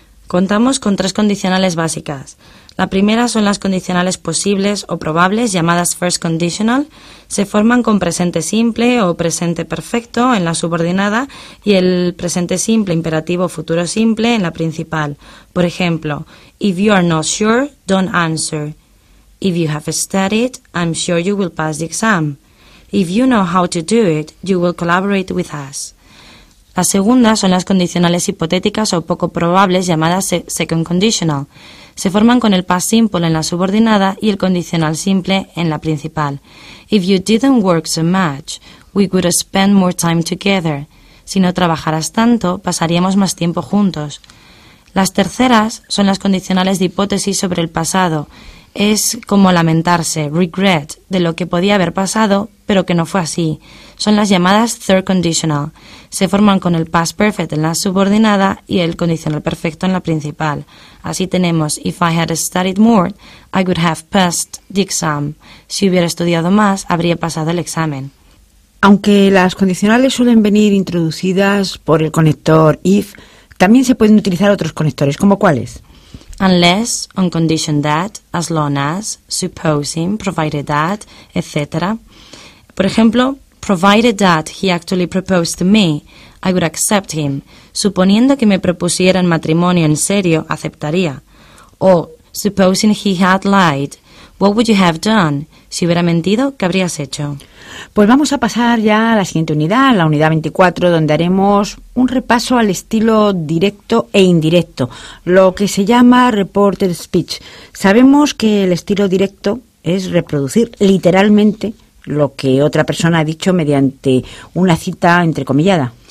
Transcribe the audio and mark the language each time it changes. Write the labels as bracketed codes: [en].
[es] Contamos con 3 condicionales básicas. La primera son las condicionales posibles o probables, llamadas first conditional. Se forman con presente simple o presente perfecto en la subordinada y el presente simple imperativo futuro simple en la principal. Por ejemplo, [en] if you are not sure, don't answer. If you have studied, I'm sure you will pass the exam. If you know how to do it, you will collaborate with us. [es] La segunda son las condicionales hipotéticas o poco probables llamadas second conditional. Se forman con el past simple en la subordinada y el condicional simple en la principal. [en] If you didn't work so much, we would spend more time together. [es] Si no trabajaras tanto, pasaríamos más tiempo juntos. Las terceras son las condicionales de hipótesis sobre el pasado. Es como lamentarse, regret, de lo que podía haber pasado, pero que no fue así. Son las llamadas third conditional. Se forman con el past perfect en la subordinada y el condicional perfecto en la principal. Así tenemos, [en] if I had studied more, I would have passed the exam. [es] Si hubiera estudiado más, habría pasado el examen. Aunque las condicionales suelen venir introducidas por el conector if, también se pueden utilizar otros conectores, ¿como cuáles? [en] Unless, on condition that, as long as, supposing, provided that, etc. [es] Por ejemplo, [en] provided that he actually proposed to me, I would accept him. [es] Suponiendo que me propusiera en matrimonio en serio, aceptaría. [en] O, supposing he had lied, what would you have done? [es] Si hubiera mentido, ¿qué habrías hecho? Pues vamos a pasar ya a la siguiente unidad, la unidad 24, donde haremos un repaso al estilo directo e indirecto, lo que se llama reported speech. Sabemos que el estilo directo es reproducir literalmente lo que otra persona ha dicho mediante una cita entrecomillada.